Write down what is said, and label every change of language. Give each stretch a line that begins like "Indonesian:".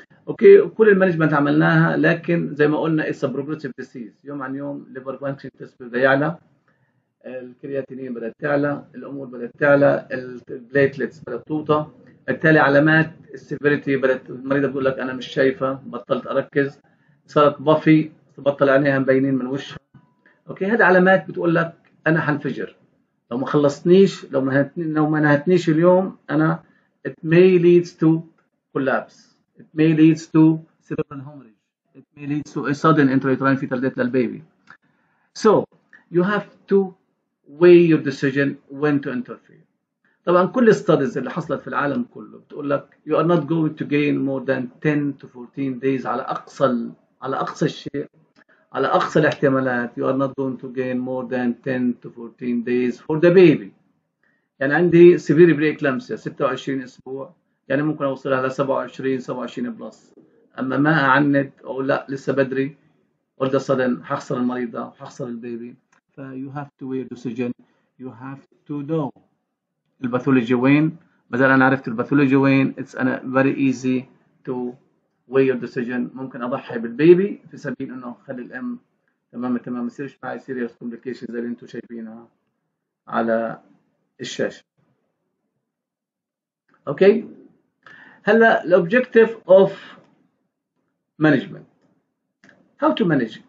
Arabic: اوكي، كل المانجمنت عملناها، لكن زي ما قلنا اتس بروجريسيف ديسيز، يوم عن يوم ليفر فانكشن تست بدا يعلى، الكرياتينين بدات تعلى، الامور بدات تعلى، البليتلتس بدات توطى، بالتالي علامات السيفيريتي بدات، المريضه بتقول لك انا مش شايفه، بطلت اركز، صارت بافي، بطل عينيها مبينين من وشها. اوكي، هذه علامات بتقول لك انا حنفجر، لو ما خلصتنيش، لو ما نهتنيش اليوم انا
English: it may leads to collapse, it may leads to cerebral hemorrhage, it may leads to a sudden intrauterine fetal death للبيبي. So you have to weigh your decision when to interfere.
Arabic: طبعا كل
English: studies
Arabic: اللي حصلت في العالم كله بتقول لك
English: you are not going to gain more than 10 to 14 days
Arabic: على اقصى الشيء، على اقصى الاحتمالات
English: you are not going to gain more than 10 to 14 days for the baby.
Arabic: يعني عندي severe preeclampsia 26 اسبوع، يعني ممكن اوصلها ل 27 27 بلس. اما ما اعند اقول لا لسه بدري،
English: اول the sudden
Arabic: هخسر المريضه وهخسر البيبي.
English: ف you have to weigh decision, you have to know الباثولوجي
Arabic: وين. بدل انا عرفت الباثولوجي وين،
English: it's a very easy to weigh your decision.
Arabic: ممكن اضحي بالبيبي في سبيل انه اخلي الام تمام ما يصيرش معي سيريوس كومبليكيشن زي اللي انتم شايفينها على الشاشه. اوكي، هلا
English: الاوبجيكتيف of management, how to manage.